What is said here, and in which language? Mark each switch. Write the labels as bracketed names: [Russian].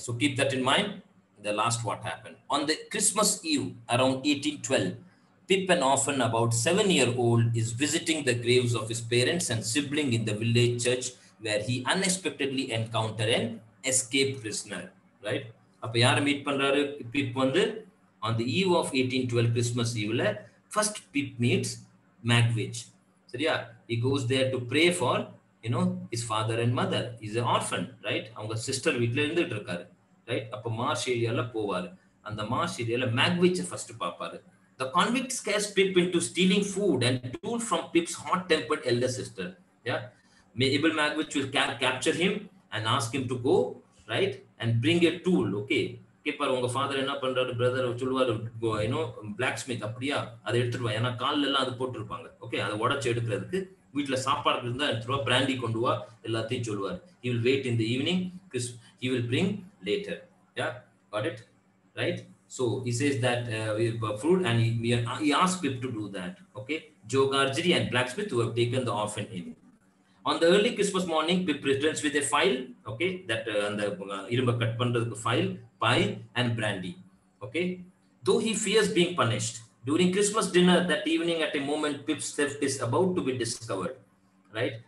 [English] So keep that in mind. The last what happened. On the Christmas Eve around 1812, Pip, an orphan about 7 years old, is visiting the graves of his parents and sibling in the village church where he unexpectedly encounter an escaped prisoner. Right? [Tamil] அப்போ யாரை meet பண்றாரு [English] Pip வந்து on the eve of 1812 Christmas Eve-ல first Pip meets Magwitch. [Tamil] சரியா? [English] He goes there to pray for, his father and mother. He's an orphan, right? [Tamil] அவங்க sister வீட்டில் இருந்துட்டு இருக்காரு. Right? அப்போ மார்ஷ் ஏரியால போவாரு. அந்த மார்ஷ் ஏரியால மேக்விச்சை ஃபர்ஸ்ட் பார்ப்பாரு. [English] The convict scares Pip into stealing food and tool from Pip's hot-tempered elder sister. Yeah? Abel Magwitch will capture him and ask him to go, right? And bring a tool. Okay. [Tamil] கேப்பார் உங்க father என்ன பண்றாரு brother சொல்லுவார் black Smith அப்படியா அதை எடுத்துட்டு வா ஏன்னா காலில் எல்லாம் அது போட்டிருப்பாங்க. ஓகே, அதை உடச்சு எடுக்கிறதுக்கு வீட்டில் சாப்பாடு இருந்தால் எடுத்துருவா, பிராண்டி கொண்டு வா, எல்லாத்தையும் சொல்லுவார். [English] He will wait in the evening, Chris he will bring later. Yeah got it right. So he says that fruit and he ask Pip to do that. Okay, Joe Gargery and blacksmith who have taken the orphan in. on the early Christmas morning, Pip returns with a file, okay, that and the [Tamil] irumba cut pandrathu [English] file, pie and brandy, okay. Though he fears being punished, during Christmas dinner that evening, at a moment Pip's theft is about to be discovered, right?